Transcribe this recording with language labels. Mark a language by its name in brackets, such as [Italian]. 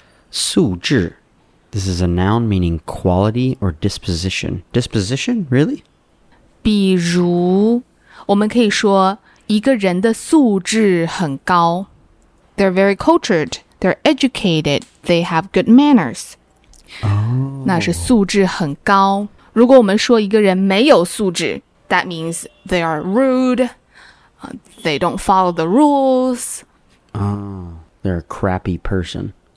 [English] 素质, this is a noun meaning quality or disposition. Disposition, really? [Chinese] 比如, 我们可以说, 一个人的素质很高。 [English] They're very cultured, they're educated, they have good manners. Oh. [Chinese] 那是素质很高。如果我们说一个人没有素质, [English] that means they are rude, they don't follow the rules. Oh, they're a crappy person.